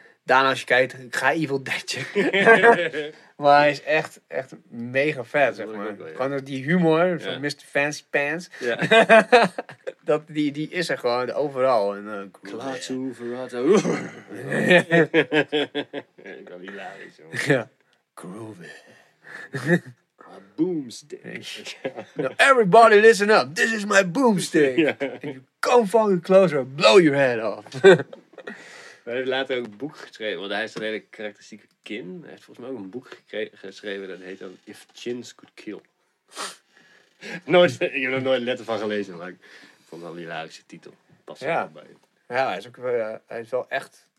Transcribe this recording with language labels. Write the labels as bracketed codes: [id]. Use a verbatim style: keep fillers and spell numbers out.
[nl] Daan, als je kijkt, ga Evil Dead checken. Maar hij is echt, echt mega vet, zeg maar. Wel, ja. Gewoon die humor yeah. van mister Fancy Pants. Yeah. Dat, die, die is er gewoon overal. En, uh, Klaatu, Verrata. Ik ben hilarisch, jongen. [en] Groovy. Boomstick. Now everybody listen up. This is my boomstick. Yeah. If you come fucking closer, I'll blow your head off. [nl] Hij heeft later ook een boek geschreven. Want hij is een hele karakteristieke kin. Hij heeft volgens mij ook een boek gekregen, geschreven. Dat heet dan If Chins Could Kill. nooit, ik heb er nooit letter van gelezen. Maar ik vond het wel een hilarische titel. Pas ja. bij. Ja, hij is, ook, uh, hij is wel echt...